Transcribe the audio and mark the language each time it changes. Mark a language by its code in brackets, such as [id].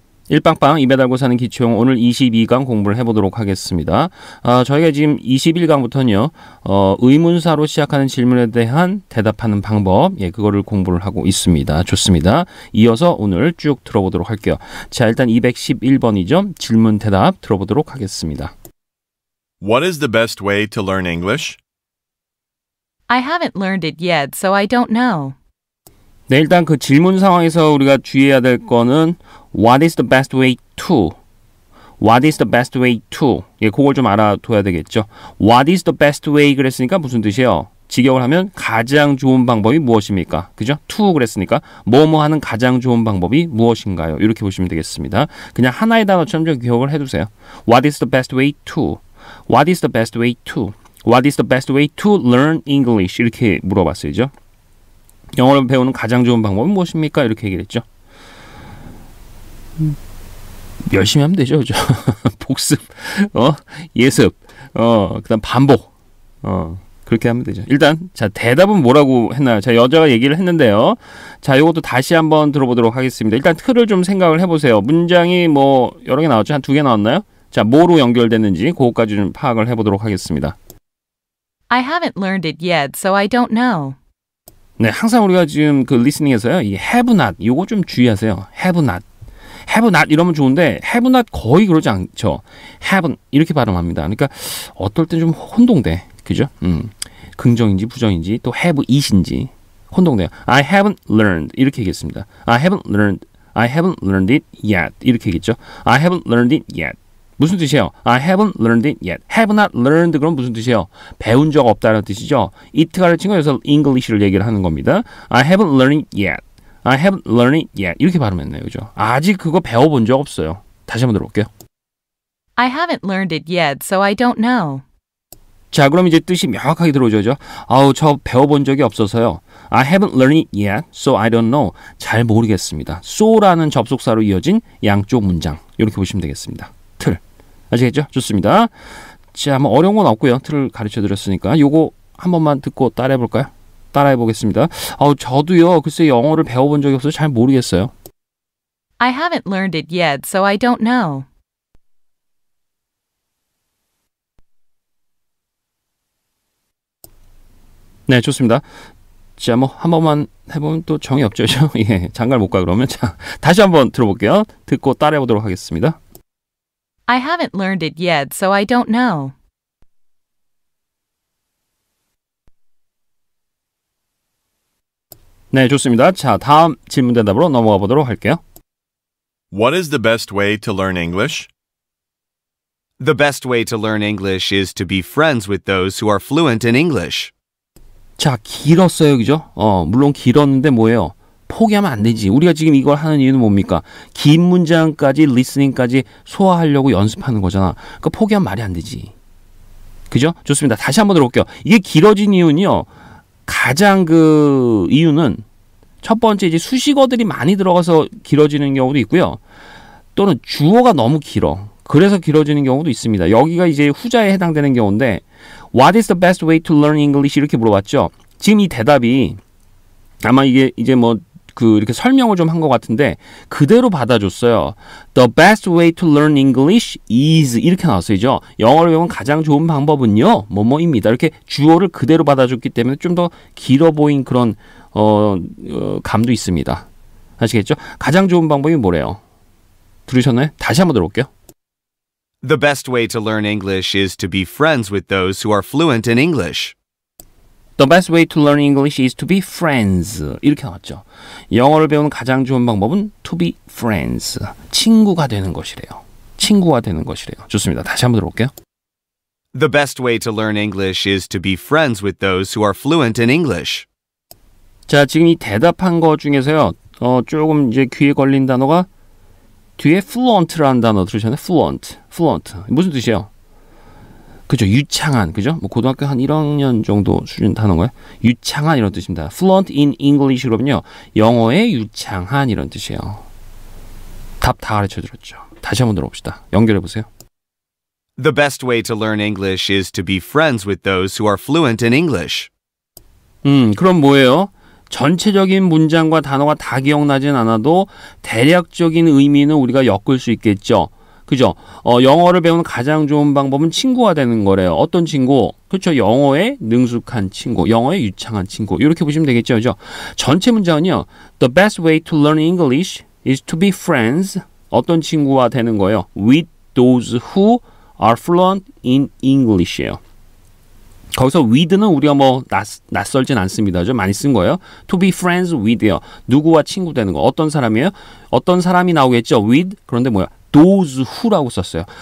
[ko] 일빵빵 입에 달고 사는 기초용 오늘 22강 공부를 해보도록 하겠습니다. 아, 저희가 지금 21강부터는요. 의문사로 시작하는 질문에 대한 대답하는 방법, 예, 그거를 공부를 하고 있습니다. 좋습니다. 이어서 오늘 쭉 들어보도록 할게요. 자, 일단 211번이죠. 질문 대답 들어보도록 하겠습니다. [en] What is the best way to learn English? I haven't learned it yet, so I don't know. [ko] 네, 일단 그 질문 상황에서 우리가 주의해야 될 거는 [en] What is the best way to? What is the best way to? [ko] 예, 그걸 좀 알아둬야 되겠죠. [en] What is the best way? [ko] 그랬으니까 무슨 뜻이에요? 직역을 하면 가장 좋은 방법이 무엇입니까? 그죠? To 그랬으니까 뭐뭐 하는 가장 좋은 방법이 무엇인가요? 이렇게 보시면 되겠습니다. 그냥 하나의 단어처럼 좀 기억을 해두세요. [en] What is the best way to? What is the best way to? What is the best way to learn English? [ko] 이렇게 물어봤어요. 영어를 배우는 가장 좋은 방법은 무엇입니까? 이렇게 얘기를 했죠. 열심히 하면 되죠. 그렇죠? 복습, 예습, 그다음 반복. 그렇게 하면 되죠. 일단 자 대답은 뭐라고 했나요? 자 여자가 얘기를 했는데요. 자 이것도 다시 한번 들어보도록 하겠습니다. 일단 틀을 좀 생각을 해보세요. 문장이 뭐 여러 개 나왔죠? 한 두 개 나왔나요? 자 뭐로 연결됐는지 그것까지 좀 파악을 해보도록 하겠습니다. [en] I haven't learned it yet, so I don't know. [ko] 네, 항상 우리가 지금 그 리스닝에서요. 이 have not, 요거 좀 주의하세요. have not. have not 이러면 좋은데 have not 거의 그러지 않죠. haven't 이렇게 발음합니다. 그러니까 어떨 땐 좀 혼동돼. 그죠? 긍정인지 부정인지 또 have it인지 혼동돼요. [en] I haven't learned [ko] 이렇게 얘기했습니다. [en] I haven't learned it yet [ko] 이렇게 얘기했죠. [en] I haven't learned it yet. [ko] 무슨 뜻이에요? [en] I haven't learned it yet. Have not learned [ko] 그럼 무슨 뜻이에요? 배운 적 없다는 뜻이죠. It 가르친 거 여기서 English를 얘기를 하는 겁니다. [en] I haven't learned it yet. I haven't learned it yet. [ko] 이렇게 발음했네요. 그죠? 아직 그거 배워본 적 없어요. 다시 한번 들어볼게요. [en] I haven't learned it yet, so I don't know. [ko] 자, 그럼 이제 뜻이 명확하게 들어오죠. 아우, 저 배워본 적이 없어서요. [en] I haven't learned it yet, so I don't know. [ko] 잘 모르겠습니다. So라는 접속사로 이어진 양쪽 문장. 이렇게 보시면 되겠습니다. 틀. 아시겠죠? 좋습니다. 자, 뭐 어려운 건 없고요. 틀을 가르쳐드렸으니까 요거 한 번만 듣고 따라해볼까요? 따라해보겠습니다. 저도요. 글쎄 영어를 배워본 적이 없어서 잘 모르겠어요. [en] I haven't learned it yet, so I don't know. [ko] 네, 좋습니다. 자, 뭐 한 번만 해보면 또 정이 없죠. 예, 장가를 못 가 그러면. 자, 다시 한번 들어볼게요. 듣고 따라해보도록 하겠습니다. [en] I haven't learned it yet, so I don't know. [ko] 네, 좋습니다. 자, 다음 질문 대답으로 넘어가 보도록 할게요. [en] What is the best way to learn English? The best way to learn English is to be friends with those who are fluent in English. [ko] 자, 길었어요, 그죠? 물론 길었는데 뭐예요? 포기하면 안 되지. 우리가 지금 이걸 하는 이유는 뭡니까? 긴 문장까지 리스닝까지 소화하려고 연습하는 거잖아. 그러니까 포기하면 말이 안 되지. 그죠? 좋습니다. 다시 한번 들어볼게요. 이게 길어진 이유는요. 가장 그 이유는 첫 번째 이제 수식어들이 많이 들어가서 길어지는 경우도 있고요. 또는 주어가 너무 길어. 그래서 길어지는 경우도 있습니다. 여기가 이제 후자에 해당되는 경우인데 [en] What is the best way to learn English? [ko] 이렇게 물어봤죠. 지금 이 대답이 아마 이게 이제 뭐 그 이렇게 설명을 좀 한 것 같은데 그대로 받아줬어요. [en] The best way to learn English is [ko] 이렇게 나왔어요. 영어를 배우는 가장 좋은 방법은요. 뭐뭐입니다. 이렇게 주어를 그대로 받아줬기 때문에 좀 더 길어 보인 그런 감도 있습니다. 아시겠죠? 가장 좋은 방법이 뭐래요? 들으셨나요? 다시 한번 들어볼게요. [en] The best way to learn English is to be friends with those who are fluent in English. The best way to learn English is to be friends. [ko] 이렇게 나왔죠. 영어를 배우는 가장 좋은 방법은 [en] to be friends. [ko] 친구가 되는 것이래요. 친구가 되는 것이래요. 좋습니다. 다시 한번 들어볼게요. [en] The best way to learn English is to be friends with those who are fluent in English. [ko] 자, 지금 이 대답한 것 중에서요. 조금 이제 귀에 걸린 단어가 뒤에 fluent라는 단어 들으셨나요? fluent. fluent. 무슨 뜻이에요? 그죠. 유창한. 그죠? 뭐 고등학교 한 1학년 정도 수준 단어가요. 유창한 이런 뜻입니다. [en] Fluent in English [ko] 로는요. 영어의 유창한 이런 뜻이에요. 답 다 가르쳐 드렸죠. 다시 한번 들어봅시다. 연결해 보세요. [en] The best way to learn English is to be friends with those who are fluent in English. [ko] 그럼 뭐예요? 전체적인 문장과 단어가 다 기억나진 않아도 대략적인 의미는 우리가 엮을 수 있겠죠. 그죠? 영어를 배우는 가장 좋은 방법은 친구가 되는 거래요. 어떤 친구? 그렇죠. 영어에 능숙한 친구, 영어에 유창한 친구. 이렇게 보시면 되겠죠. 그죠? 전체 문장은요. [en] The best way to learn English is to be friends. [ko] 어떤 친구가 되는 거예요? [en] With those who are fluent in English예요. [ko] 거기서 with는 우리가 뭐 낯설진 않습니다. 좀 많이 쓴 거예요. [en] To be friends with [ko] 요. 누구와 친구 되는 거. 어떤 사람이에요? 어떤 사람이 나오겠죠. With. 그런데 뭐야? [en] Those who [ko] 라고 썼어요.